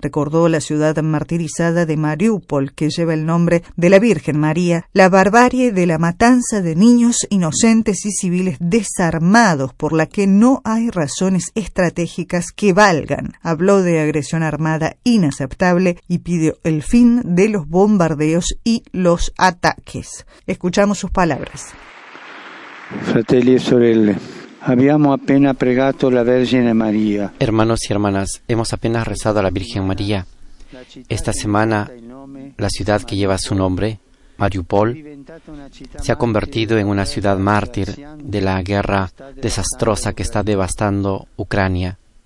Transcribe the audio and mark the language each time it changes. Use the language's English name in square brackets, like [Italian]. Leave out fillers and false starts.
[Spanish] Recordó la ciudad martirizada de Mariupol, que lleva el nombre de la Virgen María, la barbarie de la matanza de niños inocentes y civiles desarmados, por la que no hay razones estratégicas que valgan. Habló de agresión armada inaceptable y pidió el fin de los bombardeos y los ataques. Escuchamos sus palabras. [Italian] Fratelli e sorelle, abbiamo appena pregato la Vergine Maria. [Spanish] Hermanos y hermanas, hemos apenas rezado a la Virgen María. Esta semana, la ciudad que lleva su nombre, Mariupol, se ha convertido en una ciudad mártir de la guerra desastrosa que está devastando Ucrania.